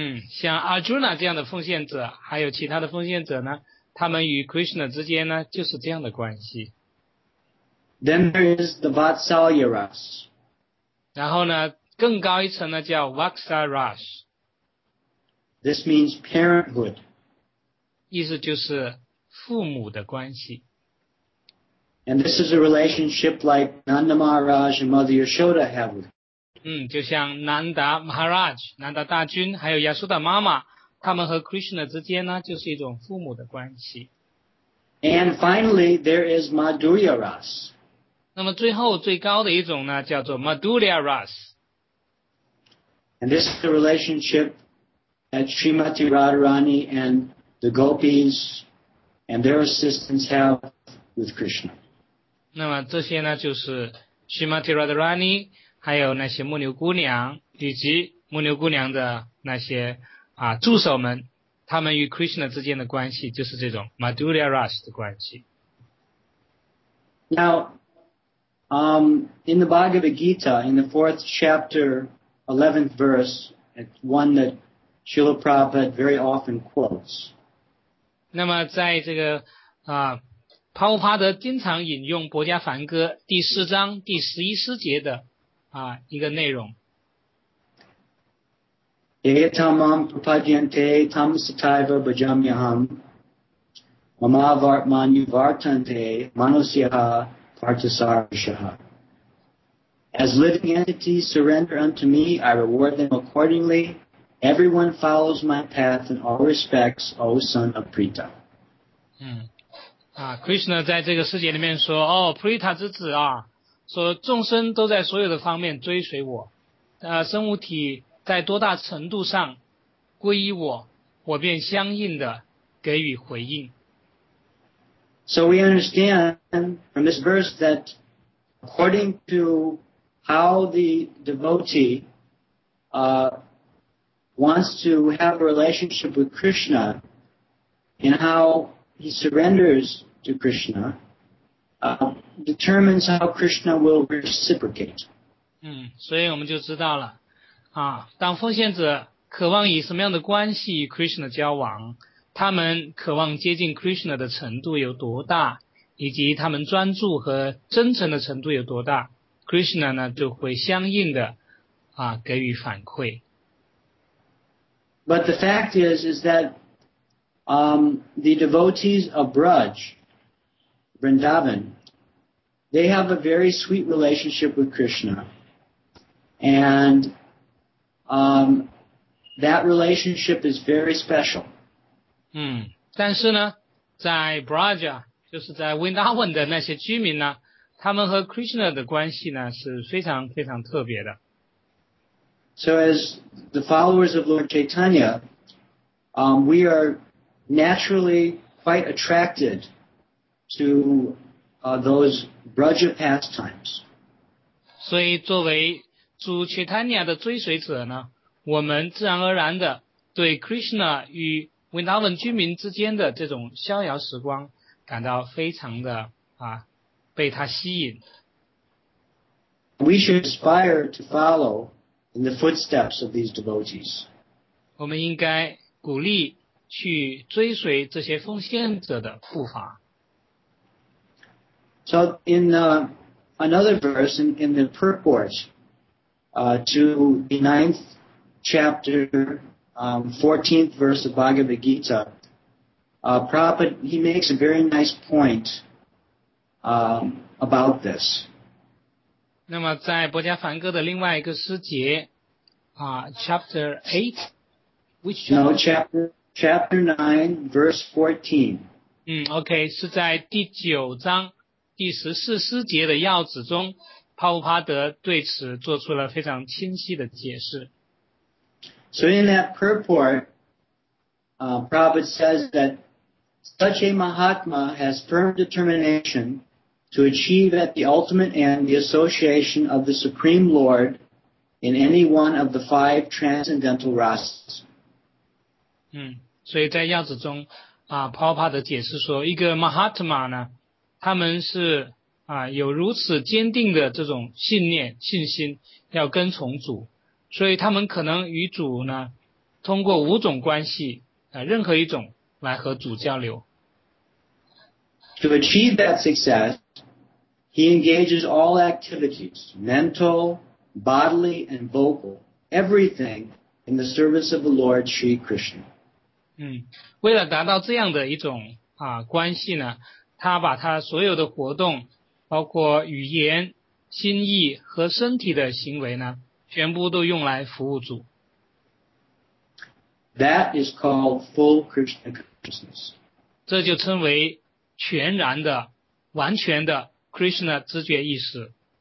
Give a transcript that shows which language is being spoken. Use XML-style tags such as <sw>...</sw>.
<zh>像 Arjuna 这样的奉献者，还有其他的奉献者呢，他们与 Krishna 之间呢，就是这样的关系。</zh> <en>Then there is the Vatsalya Ras.</en> <zh>然后呢？更高一层呢叫 Vaksa Ras.</zh> <en>This means parenthood.</en> <zh>意思就是父母的关系。</zh> <en>And this is a relationship like Nanda Maharaj and Mother Yashoda have with him.</en> <zh>就像 Nanda Maharaj, Nanda 大君还有 Yashoda 妈妈他们和 Krishna 之间呢就是一种父母的关系。</zh> <en>And finally, there is Madhurya Ras.</en> <zh>那么最后最高的一种呢叫做 Madhurya Ras.</zh> <en>And this is the relationship that Srimati Radharani and the gopis and their assistants have with Krishna.</en> <zh>那么这些呢就是 Srimati Radharani 还有那些牧牛姑娘以及牧牛姑娘的那些啊助手们他们与 Krishna 之间的关系就是这种 Madhurya Ras 的关系。</zh> <en>Now, in the Bhagavad Gita, in the 4th chapter, 11th verse, it's one that Srila Prabhupada very often quotes.</en> <zh>那么在这个啊帕乌帕德经常引用博迦梵歌第四章第十一师节的啊一个内容。</zh> <sa>Yetamam prapadyante tamasataiva bhajamyaham mamavartmanyuvartante manusyaha partasarvashaha.</sa> <en>As living entities surrender unto me, I reward them accordingly. Everyone follows my path in all respects, O son of Prita. 嗯。</en> <zh>啊 ,Krishna 在这个世界里面说哦 ,Prita 之子啊说众生都在所有的方面追随我生物体在多大程度上归依我我便相应的给予回应。</zh> <en>So we understand from this verse that according to how the devotee, wants to have a relationship with Krishna and howHe surrenders to Krishna, determines how Krishna will reciprocate.</en> <zh>所以我们就知道了啊，当奉献者渴望以什么样的关系与 Krishna 交往，他们渴望接近 Krishna 的程度有多大，以及他们专注和真诚的程度有多大 ，Krishna 呢就会相应的啊给予反馈。</zh> <en>But the fact is that. The devotees of Braj, Vrindavan, they have a very sweet relationship with Krishna. And, that relationship is very special.</en> <zh>但是呢在 Braj, 就是在 Vrindavan 的那些居民呢他们和 Krishna 的关系呢是非常非常特别的。</zh> <en>So as the followers of Lord Chaitanya, we areNaturally, quite attracted to those Braja pastimes.</en> <zh>所以作为主 Chaitanya 的追随者呢，我们自然而然的对 Krishna 与 Vrindavan 居民之间的这种逍遥时光感到非常的啊，被他吸引。</zh> <en>We should aspire to follow in the footsteps of these devotees.</en> <zh>我们应该鼓励。去追随这些奉献者的步伐。</zh> <en>So in another verse in the purport to the ninth chapter, 14th verse of Bhagavad Gita, Prabhupada he makes a very nice point about this.</en> <zh>那么在博迦梵歌的另外一个诗节啊 ，</zh> <en>chapter eight, which no chapter. Chapter 9, verse 14.</en> <zh>OK, 是在第九章第十四师节的要旨中，帕乌帕德对此做出了非常清晰的解释。</zh> <en>So in that purport, Prabhupada says that such a mahatma has firm determination to achieve at the ultimate end the association of the Supreme Lord in any one of the five transcendental rasas.</en> <zh>所以在要旨中啊帕乌帕德解释说一个 Mahatma 呢他们是啊有如此坚定的这种信念信心要跟从主所以他们可能与主呢通过五种关系啊任何一种来和主交流。</zh> <en>To achieve that success, he engages all activities, mental, bodily, and vocal, everything in the service of the Lord Sri Krishna.</en> <zh>为了达到这样的一种关系呢，他把他所有的活动，包括语言、心意和身体的行为呢，全部都用来服务主。</zh> <en>That is called full Krishna consciousness.</en> <zh>这就称为全然的、完全的 Krishna 知觉意识。</zh>